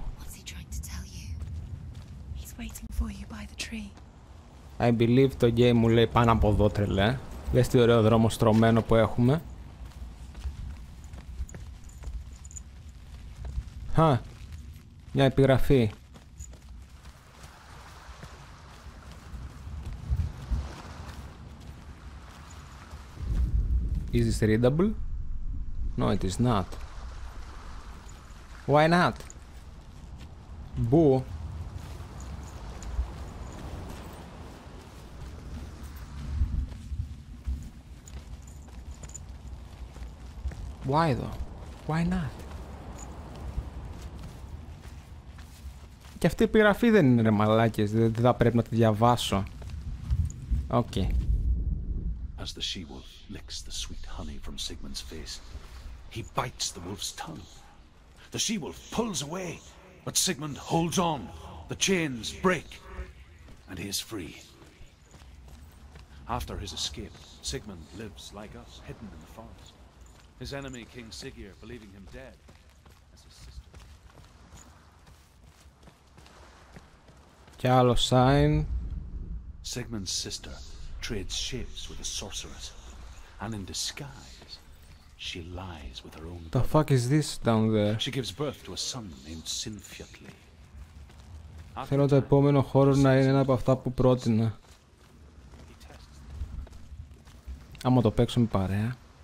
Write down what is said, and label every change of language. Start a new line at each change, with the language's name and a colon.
English: What's he trying to tell you? He's waiting for you by the tree. I believe the game
Greek: μου λέει πάνω από εδώ, τρελέ. Δες τι ωραίο δρόμο στρωμένο που έχουμε. Χα. Μια επιγραφή.
English: Is this readable? No, it is not. Why not? Boo. Why though? Why not?
Greek: Και αυτή η επιγραφή δεν είναι ρε μαλάκες, δεν θα πρέπει να τη διαβάσω.
English: Okay. As the she-wolf licks the sweet honey from Sigmund's face, he bites the wolf's tongue. The she-wolf pulls away, but Sigmund holds on. The chains break, and he is free. After his escape, Sigmund lives like us, hidden in the forest. His enemy, King Siggeir, believing him dead, as his sister.
Greek: Κι άλλο sign.
English: Sigmund's sister trades shapes with a sorceress, and in disguise, she lies with her own. The fuck is this down there? She gives birth to a son named Sinfjotli.
Greek: Θέλω το επόμενο χώρο να είναι ένα από αυτά που πρότεινα. Άμα το παίξουμε παρέα.